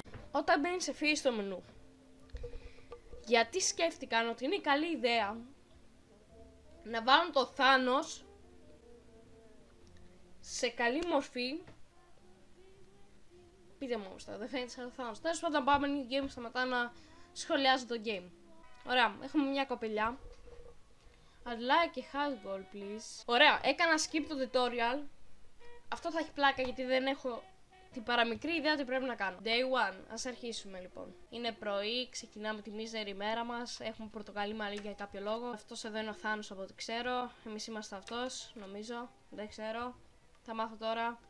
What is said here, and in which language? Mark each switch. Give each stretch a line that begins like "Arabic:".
Greek: Όταν μπαίνει σε φύση στο μενού, γιατί σκέφτηκαν ότι είναι καλή ιδέα να βάλουν το Thanos σε καλή μορφή? Πείτε μου όμως, δεν φαίνεται σαν το Thanos. Τέλος πάντων, πάμε
English: new game,
Greek: σταματά να σχολιάζω το game. Ωραία, έχουμε μια κοπελιά.
English: I'd like a hot girl, please.
Greek: Ωραία, έκανα skip το tutorial. Αυτό θα έχει πλάκα γιατί δεν έχω την παραμικρή ιδέα τι πρέπει να κάνω. Day 1, ας αρχίσουμε λοιπόν. Είναι πρωί, ξεκινάμε τη μίζερη ημέρα μας. Έχουμε πορτοκαλί μαλλί για κάποιο λόγο. Αυτός εδώ είναι ο Θάνος από ό,τι ξέρω. Εμείς είμαστε αυτός, νομίζω. Δεν ξέρω. Θα μάθω τώρα.